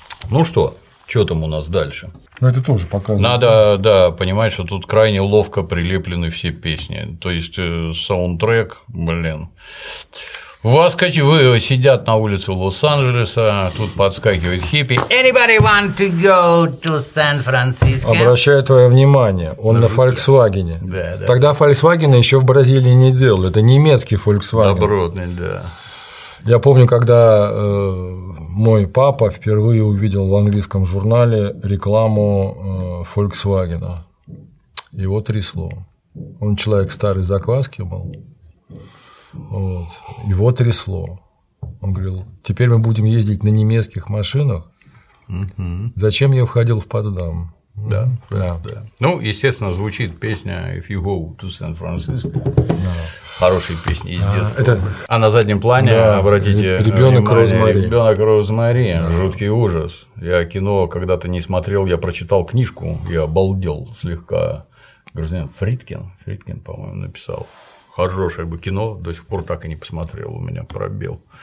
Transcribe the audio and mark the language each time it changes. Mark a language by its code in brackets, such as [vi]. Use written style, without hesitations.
[ru] Ну что? Что там у нас дальше? Ну, это тоже показывает. Надо, да, понимать, что тут крайне ловко прилеплены все песни. То есть саундтрек, блин. Вас, кстати, вы сидят на улице Лос-Анджелеса, тут подскакивает хиппи. [en] Anybody want to go to San Francisco? [ru] Обращаю твое внимание, он на Volkswagen. Да, да. Тогда Volkswagen еще в Бразилии не делал. Это немецкий Volkswagen. Добротный, да. Я помню, когда мой папа впервые увидел в английском журнале рекламу Volkswagen. Его трясло. Он человек старой закваски был. Вот. Его трясло. Он говорил: теперь мы будем ездить на немецких машинах. Зачем я входил в Потсдам? Да, да, да. Ну, естественно, звучит песня [en] «If you go to San Francisco». [ru] Да. Хорошие песни из детства. А на заднем плане, да, обратите ребенок внимание, ребенок Розмари, жуткий ужас. Я кино когда-то не смотрел, я прочитал книжку, я обалдел слегка. Гражданин Фридкин, по-моему, написал. Хорошее бы кино, до сих пор так и не посмотрел, у меня пробел.